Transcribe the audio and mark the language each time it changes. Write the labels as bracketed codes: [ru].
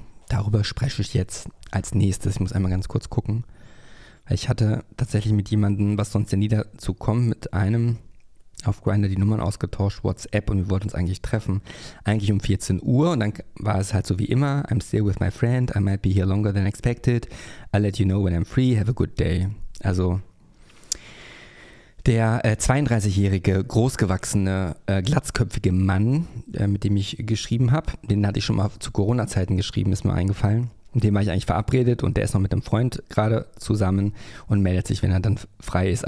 [de] Darüber spreche ich jetzt als nächstes. Ich muss einmal ganz kurz gucken. Ich hatte tatsächlich mit jemandem, was sonst ja nie dazu kommt, mit einem auf Grindr die Nummern ausgetauscht, WhatsApp, und wir wollten uns eigentlich treffen. Eigentlich um 14 Uhr, und dann war es halt so wie immer. [en] I'm still with my friend. I might be here longer than expected. I'll let you know when I'm free. Have a good day. [de] Also der 32-jährige, großgewachsene, glatzköpfige Mann, mit dem ich geschrieben habe, den hatte ich schon mal zu Corona-Zeiten geschrieben, ist mir eingefallen. Mit dem war ich eigentlich verabredet, und der ist noch mit einem Freund gerade zusammen und meldet sich, wenn er dann frei ist.